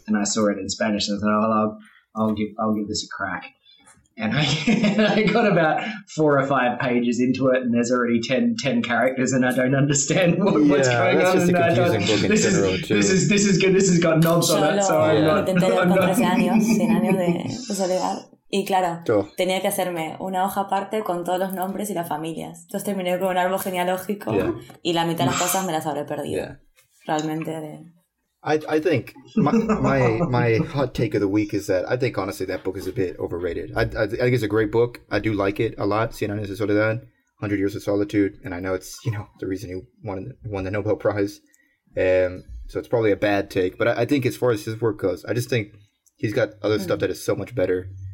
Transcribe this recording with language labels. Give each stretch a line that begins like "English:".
English: And I saw it in Spanish, and I thought, I'll give this a crack. And I got about 4 or 5 pages into it, and there's already 10 characters, and I don't understand what's going on. Yeah, that's just a confusing book in general, This is good. This has got knobs on it, so I'm not.
Spanish: Y claro, tenía que hacerme una hoja aparte con todos los nombres y las familias. Entonces terminé con un árbol genealógico y la mitad de las cosas me las habré perdido. Yeah. Realmente.
English: I think my hot take of the week is that I think honestly that book is a bit overrated. I think it's a great book. I do like it a lot. Cien años de soledad, 100 years of solitude, and I know it's, you know, the reason he won the Nobel Prize. So it's probably a bad take, but I think as far as his work goes, I just think he's got other stuff that is so much better.